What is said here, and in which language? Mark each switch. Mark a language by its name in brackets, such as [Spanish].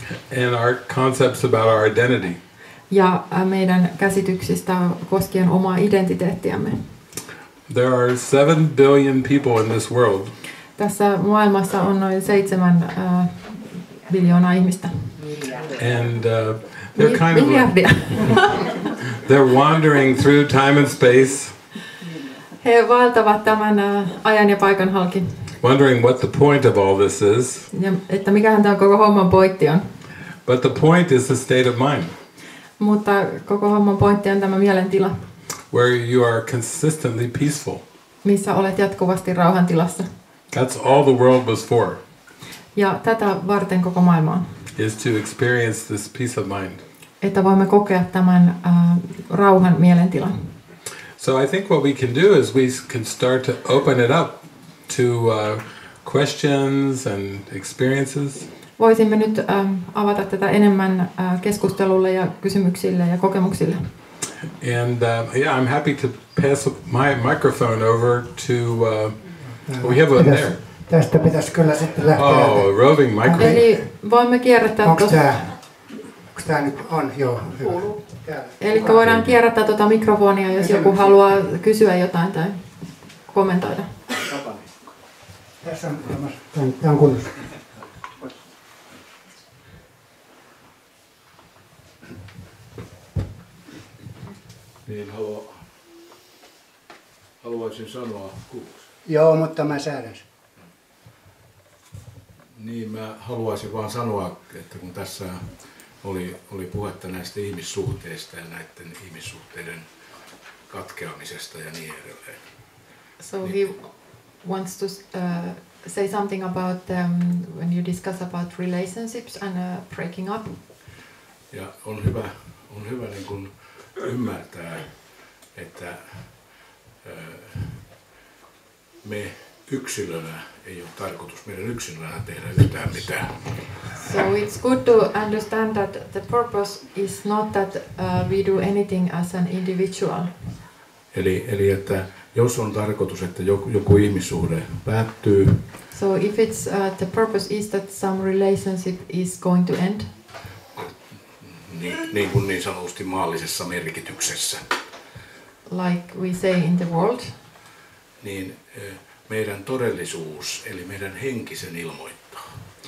[English] And our concepts about our identity. [Finnish] Ja meidän käsityksistä koskien omaa identiteettiämme. [English] There are 7 billion people in this world. [Finnish] Tässä maailmassa on noin 7 biljoonaa ihmistä. [English] And they're kind of like, they're wandering through time and space. [Finnish] He vaeltavat tämän ajan ja paikan halki. [English] Wondering what the point of all this is. [Finnish] Ja että mikähän tämä koko homman pointti on. [English] But the point is the state of mind. [Finnish] Mutta koko homman pointti on tämä mielentila. [English] Where you are consistently peaceful. [Finnish] Missä olet jatkuvasti rauhantilassa. [English] That's all the world was for. [Finnish] Ja tätä varten koko maailma on. [English] Is to experience this peace of mind. [Finnish] Että voimme kokea tämän rauhan mielentilan. [English] So I think what we can do is we can start to open it up to questions and experiences. [Finnish] Voisimme nyt avata tätä enemmän keskustelulle ja kysymyksille ja kokemuksille. [English] And yeah, I'm happy to pass my microphone over to we have one there. [Finnish] Tästä pitäisi kyllä sitten lähteä. [English] Oh, a roving microphone. [Finnish] Eli voimme kierrättää tuossa. Onko tämä nyt on? Joo, hyvä. Eli voidaan kierrättää tuota mikrofonia, jos joku haluaa kysyä jotain tai kommentoida. Tässä on tämmöinen. Tämä on kunnossa. Niin haluaisin sanoa. Joo, mutta mä säädän. Niin, mä haluaisin vaan sanoa, että kun tässä oli puhetta näistä ihmissuhteista ja näiden ihmissuhteiden katkeamisesta ja niin edelleen. [English] So niin. He wants to say something about when you discuss about relationships and breaking up. [Finnish] Ja on hyvä niin kun ymmärtää, että me yksilönä ei ole tarkoitus meidän yksilönä tehdä yhtään mitään. [English] So it's good to understand that the purpose is not that we do anything as an individual. [Finnish] Eli että jos on tarkoitus, että joku ihmissuhde päättyy. [English] So if it's the purpose is that some relationship is going to end. [Finnish] Niin kuin niin sanotusti maallisessa merkityksessä. [English] Like we say in the world. [Finnish] Niin meidän todellisuus, eli meidän henki sen ilmoittaa.